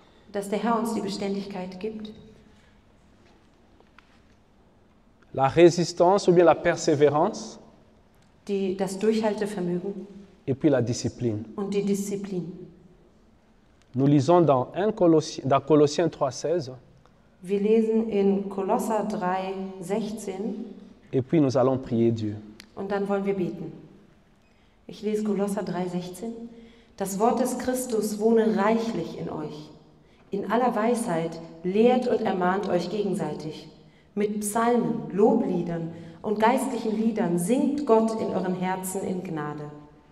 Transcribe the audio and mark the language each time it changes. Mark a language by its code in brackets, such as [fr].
[de] Dass der Herr uns die Beständigkeit gibt. [fr] La résistance ou bien la persévérance. [de] Das Durchhaltevermögen. [fr] Et puis la discipline. [de] Und die Disziplin. [fr] Nous lisons dans Colossiens 3:16. [de] Wir lesen in Kolosser 3, 16. [fr] Et puis nous allons prier Dieu. [de] Und dann wollen wir beten. Ich lese Kolosser 3, 16. Das Wort des Christus wohne reichlich in euch. In aller Weisheit lehrt und ermahnt euch gegenseitig. Mit Psalmen, Lobliedern und geistlichen Liedern singt Gott in euren Herzen in Gnade.